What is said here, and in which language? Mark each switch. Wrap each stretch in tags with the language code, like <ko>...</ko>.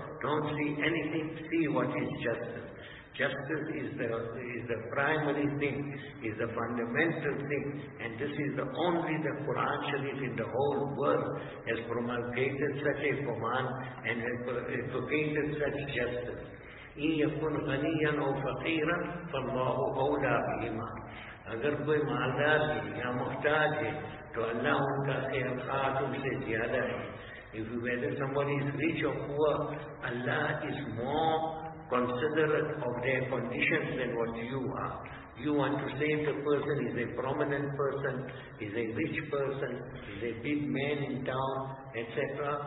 <en>Don't see anything, see what is justice. Justice is the primary thing, is the fundamental thing, and this is the only the Quran Sharif in the whole world has promulgated such a command and has advocated such justice.</en> <ar>إِنْ يَكُنْ غَنِيًا أَوْ فَقِيرًا فَاللَّهُ أَوْلَى بِهِمَا.</ar> <ur>اگر کوئی مالدار ہے یا محتاج ہے تو اللہ ان کا خیر خواہ تم سے زیادہ ہے.</ur> <en>If whether somebody is rich or poor, Allah is more considerate of their conditions than what you are. You want to save the person, is a prominent person, is a rich person, is a big man in town, etc.</en>